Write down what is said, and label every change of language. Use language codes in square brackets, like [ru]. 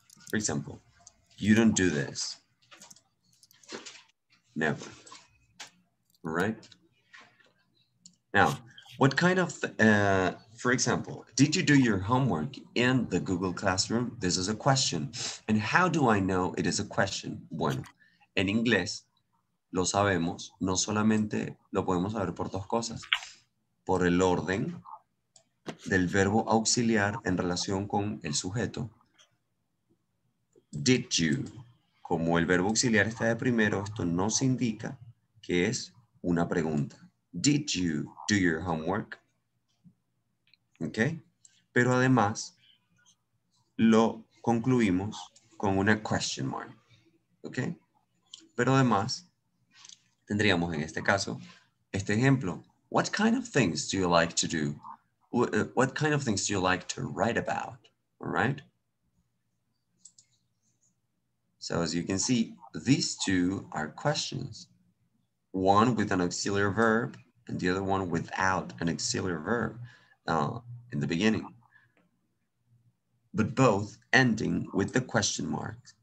[en] For example, you don't do this. Never, right? Now, what kind of, for example, did you do your homework in the Google Classroom? This is a question. And how do I know it is a question? [es] Bueno, en inglés, lo sabemos, no solamente lo podemos saber por dos cosas. Por el orden del verbo auxiliar en relación con el sujeto. [en] Did you? [es] Como el verbo auxiliar está de primero, esto nos indica que es una pregunta. [en] Did you do your homework? Okay. [es] Pero además, lo concluimos con una question mark. Okay. Pero además, tendríamos en este caso, este ejemplo. [en] What kind of things do you like to do? What kind of things do you like to write about? All right. So as you can see, these two are questions. One with an auxiliary verb, and the other one without an auxiliary verb in the beginning, but both ending with the question mark.